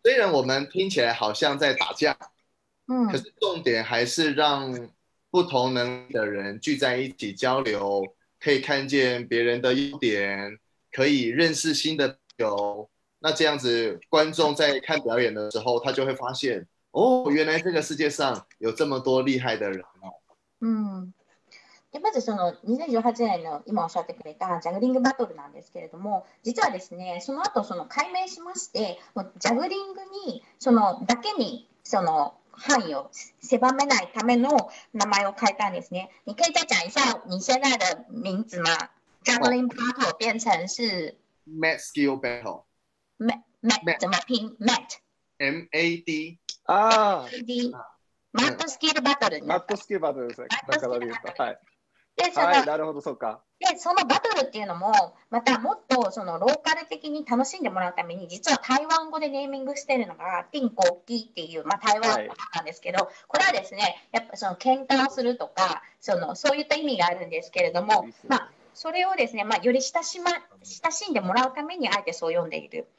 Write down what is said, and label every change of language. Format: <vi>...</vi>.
<zh>虽然我们听起来好像在打架。可是重点还是让不同能力的人聚在一起交流，可以看见别人的优点，可以认识新的朋友。那这样子观众在看表演的时候，他就会发现，哦，原来这个世界上有这么多厉害的人。</zh> <ja>嗯，でまずその2018年の今おっしゃってくれたジャグリングバトルなんですけれども、実はですねその後その改名しまして、ジャグリングにそのだけにその範囲を狭めないための名前を変えたんですね。</ja> <zh>你可以再讲一下你现在的名字吗？ Juggling Battle 变成是</zh> <en>Mat Skill Battle。</en> <zh>Mat 怎么拼？Mat</zh> <en>M-A-D M-A-D Mat Skill Battle。</en> <ja>Mat Skill Battle ですね。</ja> <en>Mat Skill Battle。</en> <ja>はいはい、なるほど、そうか。でそのバトルっていうのもまたもっとそのローカル的に楽しんでもらうために、実は台湾語でネーミングしてるのがティンコーキーっていう、まあ、台湾語なんですけど、はい、これはですねやっぱその喧嘩をするとか そういった意味があるんですけれども、まあ、それをですね、まあ、より親しんでもらうためにあえてそう呼んでいる。</ja>